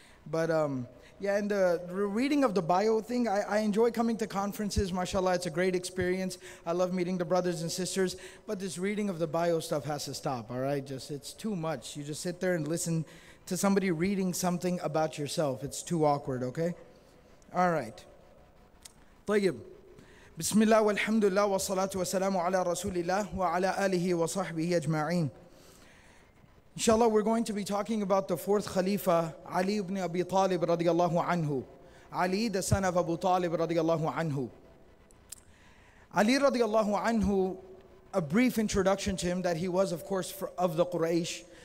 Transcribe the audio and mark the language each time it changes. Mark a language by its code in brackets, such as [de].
[en] But yeah, and the reading of the bio thing, I enjoy coming to conferences, mashallah, it's a great experience. I love meeting the brothers and sisters, but this reading of the bio stuff has to stop, all right? Just, it's too much. You just sit there and listen to somebody reading something about yourself. It's too awkward, okay? All right. طيب. [ar] بسم الله والحمد لله والصلاة والسلام على رسول الله وعلى آله وصحبه أجمعين. [en] Inshallah, we're going to be talking about the fourth Khalifa, Ali ibn Abi Talib radiallahu anhu. Ali, the son of Abu Talib radiallahu anhu. Ali radiallahu anhu, a brief introduction to him that he was, of course, of the Quraysh.